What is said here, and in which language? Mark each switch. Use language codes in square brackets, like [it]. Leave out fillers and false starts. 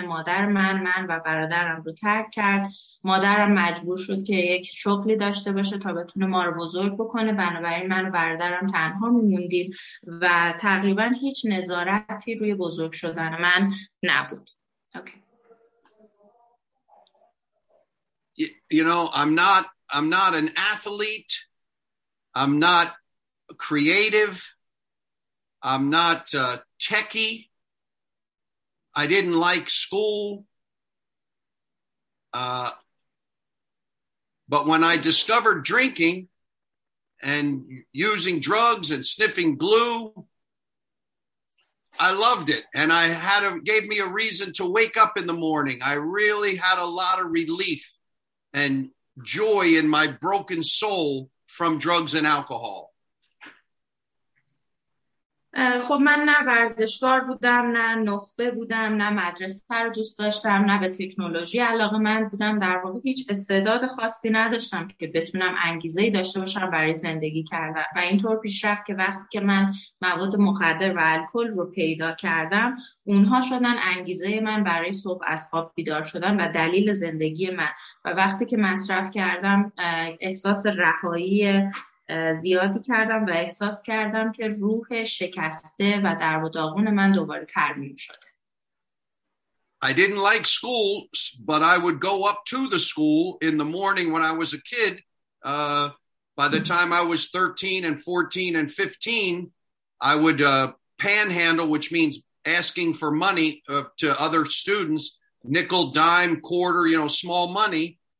[fa] مادر من و برادرم رو ترک کرد. مادرم مجبور شد که یک شغلی داشته باشه تا بتونه ما رو بزرگ بکنه. بنابراین من و برادرم تنها میموندیم و تقریبا هیچ نظارتی روی بزرگ شدن من نبود. اوکی. [en] You know, I'm not an athlete. I'm not creative. I'm not techie. I didn't like school. But when I discovered drinking and using drugs and sniffing glue, I loved it. And I had gave me a reason to wake up in the morning. I really had a lot of relief and joy in my broken soul from drugs and alcohol. [fa] خب من نه ورزشکار بودم، نه نخبه بودم، نه مدرسه رو دوست داشتم، نه به تکنولوژی علاقه مند بودم. در واقع هیچ استعداد خاصی نداشتم که بتونم انگیزه ای داشته باشم برای زندگی کردن. و اینطور پیش رفت که وقتی که من مواد مخدر و الکل رو پیدا کردم، اونها شدن انگیزه من برای صبح از خواب بیدار شدن و دلیل زندگی من. و وقتی که مصرف کردم احساس رهایی زیادی کردم و احساس کردم که روح شکسته و درب و داغون من دوباره ترمیم شده. [en] I didn't like school, but I would go up to the school in the morning when I was a kid. By the time I was 13 and 14 and 15, I would panhandle, which means asking for money to other students, nickel, dime, quarter, you know, small money.